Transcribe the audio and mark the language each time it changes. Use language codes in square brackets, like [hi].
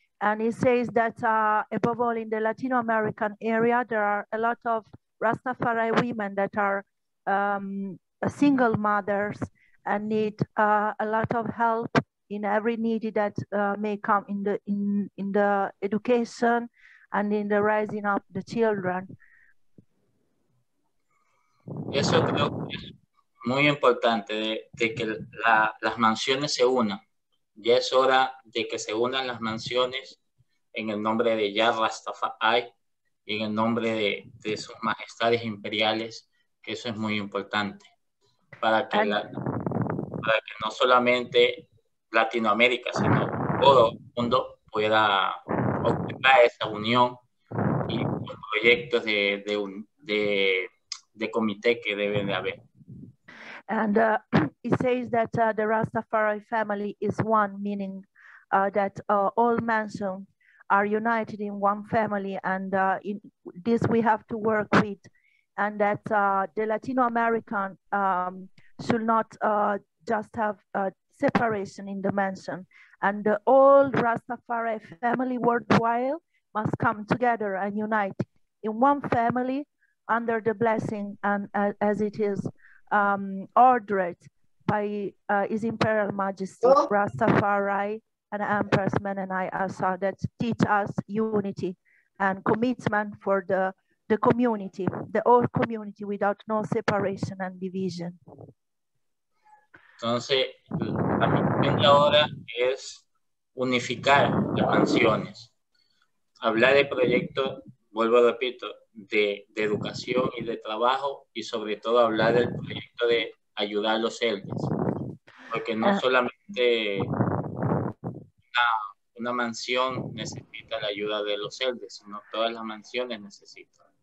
[en] And he says that above all in the Latino American area, there are a lot of Rastafari women that are single mothers and need a lot of help in every need that may come in the education and in the raising up the children. [es] Eso creo que es muy importante de que la, las mansiones se unan. Ya es hora de que se unan las mansiones en el nombre de Yah Rastafari y en el nombre de sus majestades imperiales, que eso es muy importante para que, la, para que no solamente Latinoamérica, sino todo el mundo pueda ocupar esa unión y los proyectos de comité que deben de haber. [en] And he says that the Rastafari family is one, meaning that all mansions are united in one family, and in this we have to work with, and that the Latino American should not just have a separation in the mansion, and the all Rastafari family worldwide must come together and unite in one family under the blessing and as it is ordered by His Imperial Majesty Rastafari and Empress Menenai Asa, that teach us unity and commitment for the community, the whole community, without no separation and division. [es] Entonces, la misión de ahora es unificar las mansiones, hablar de proyectos, vuelvo a repito, de educación y de trabajo, y sobre todo hablar del proyecto de ayudar a los celdes, porque no solamente una mansión necesita la ayuda de los celdes, sino todas las mansiones necesitan.